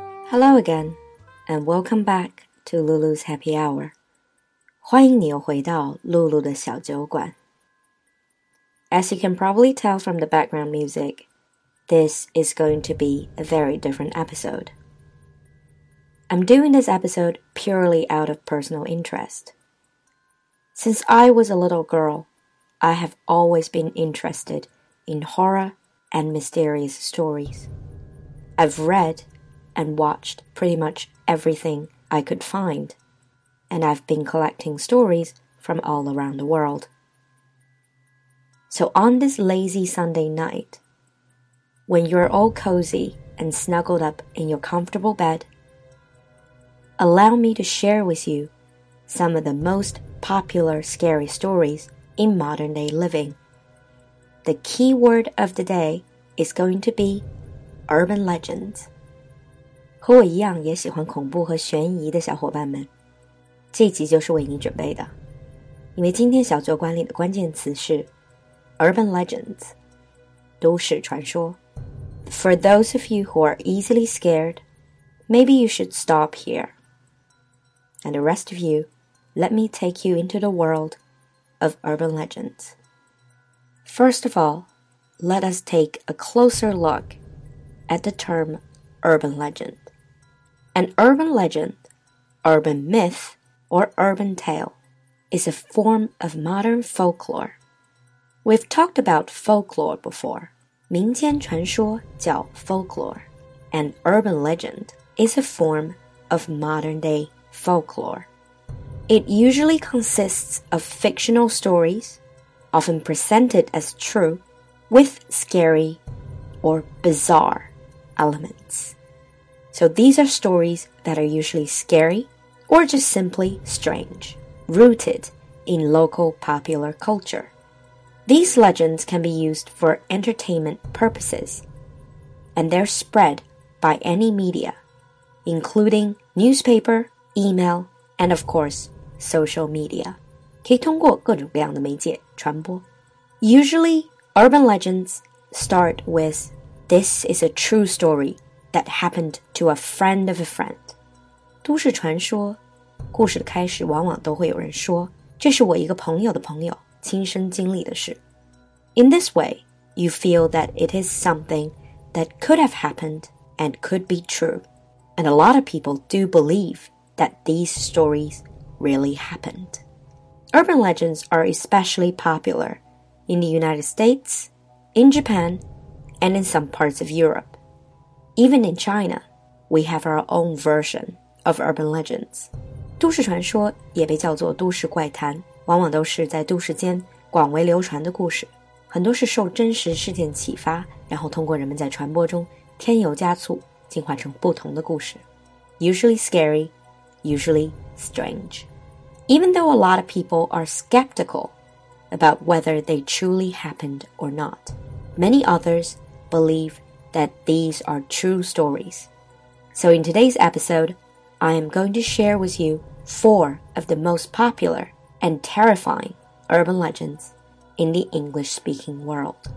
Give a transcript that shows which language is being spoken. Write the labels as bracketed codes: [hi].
[en] Hello again, and welcome back to Lulu's Happy Hour. [zh] 欢迎你又回到露露的小酒馆。 [en] As you can probably tell from the background music, this is going to be a very different episode. I'm doing this episode purely out of personal interest. Since I was a little girl, I have always been interested in horror and mysterious stories. I've read and watched pretty much everything I could find, and I've been collecting stories from all around the world. So on this lazy Sunday night, when you're all cozy and snuggled up in your comfortable bed, allow me to share with you some of the most popular scary stories in modern day living. The key word of the day is going to be urban legends. [zh] 和我一样也喜欢恐怖和悬疑的小伙伴们，这集就是为你准备的，因为今天小酒馆里的关键词是 Urban Legends, 都市传说。 [en] For those of you who are easily scared, maybe you should stop here. And the rest of you, let me take you into the world of Urban Legends. First of all, let us take a closer look at the term Urban Legend. An urban legend, urban myth, or urban tale is a form of modern folklore. We've talked about folklore before. [zh] 民间传说叫 folklore. [en] An urban legend is a form of modern-day folklore. It usually consists of fictional stories, often presented as true, with scary or bizarre elements. So these are stories that are usually scary or just simply strange, rooted in local popular culture. These legends can be used for entertainment purposes, and they're spread by any media, including newspaper, email, and of course, social media. [zh] 可以通过各种各样的媒介传播。 [en] Usually, urban legends start with, "This is a true story,that happened to a friend of a friend. [zh] 都市传说故事的开始往往都会有人说这是我一个朋友的朋友亲身经历的事。 [en] In this way, you feel that it is something that could have happened and could be true. And a lot of people do believe that these stories really happened. Urban legends are especially popular in the United States, in Japan, and in some parts of Europe. Even in China, we have our own version of urban legends. [zh] 都市传说也被叫做都市怪谈，往往都是在都市间广为流传的故事，很多是受真实事件启发，然后通过人们在传播中添油加醋，进化成不同的故事。 [en] Usually scary, usually strange. Even though a lot of people are skeptical about whether they truly happened or not, many others believethat these are true stories. So in today's episode, I am going to share with you four of the most popular and terrifying urban legends in the English-speaking world.